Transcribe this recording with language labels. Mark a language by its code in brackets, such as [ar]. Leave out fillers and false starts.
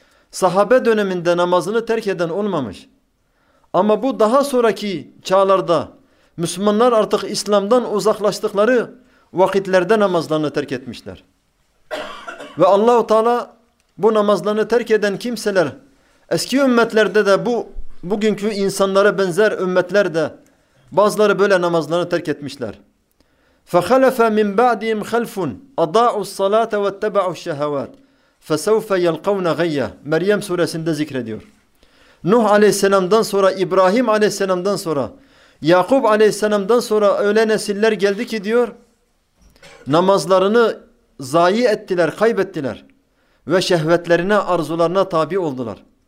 [tr] Sahabe döneminde namazını terk eden olmamış. Ama bu daha sonraki çağlarda Müslümanlar artık İslam'dan uzaklaştıkları vakitlerde namazlarını terk etmişler. Ve Allah-u Teala bu namazlarını terk eden kimseler eski ümmetlerde de bugünkü insanlara benzer ümmetler de bazıları böyle namazlarını terk etmişler. [ar] فَخَلَفَ مِنْ بَعْدِهِمْ خَلْفٌ اَضَاعُوا الصَّلَاةَ وَاتَّبَعُوا الشَّهَوَاتِ فَسَوْفَ يَلْقَوْنَ غَيَّ [tr] Meryem suresinde zikrediyor. Nuh aleyhisselamdan sonra, İbrahim aleyhisselamdan sonra, Yakup aleyhisselamdan sonra öyle nesiller geldi ki diyor, namazlarını zayi ettiler, kaybettiler ve şehvetlerine, arzularına tabi oldular.